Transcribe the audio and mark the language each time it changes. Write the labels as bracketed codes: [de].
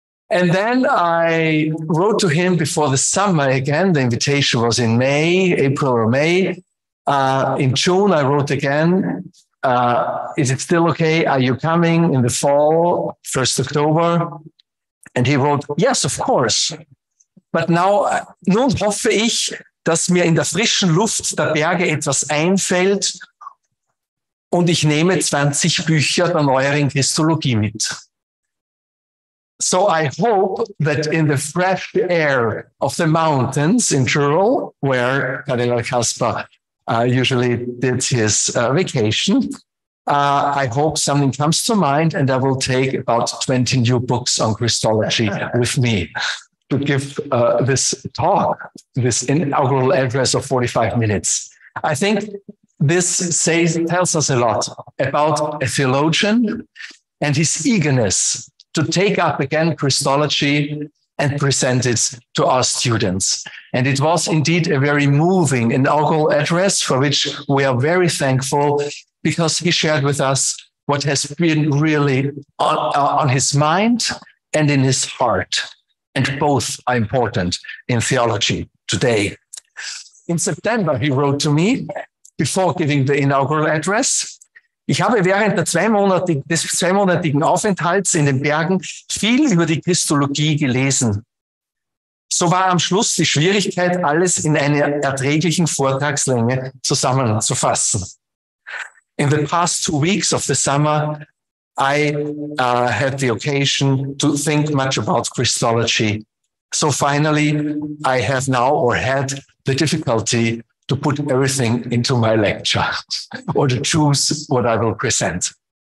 [en] And then I wrote to him before the summer again. The invitation was in May, April or May. In June, I wrote again. Is it still okay? Are you coming in the fall, 1st October? And he wrote, yes, of course. But now, [de] nun hoffe ich, dass mir in der frischen Luft der Berge etwas einfällt und ich nehme 20 Bücher der neueren Christologie mit. [en] So I hope that in the fresh air of the mountains in Tyrol, where Cardinal Kaspar usually did his vacation, I hope something comes to mind and I will take about 20 new books on Christology with me to give this talk, this inaugural address of 45 minutes. I think this tells us a lot about a theologian and his eagerness to take up again Christology and present it to our students. And it was indeed a very moving inaugural address for which we are very thankful, because he shared with us what has been really on his mind and in his heart. And both are important in theology today. In September, he wrote to me before giving the inaugural address. [de] Ich habe während des zweimonatigen Aufenthalts in den Bergen viel über die Christologie gelesen. So war am Schluss die Schwierigkeit, alles in einer erträglichen Vortragslänge zusammenzufassen. [en] In the past 2 weeks of the summer, I had the occasion to think much about Christology. So finally, I have now or had the difficulty to put everything into my lecture or to choose what I will present.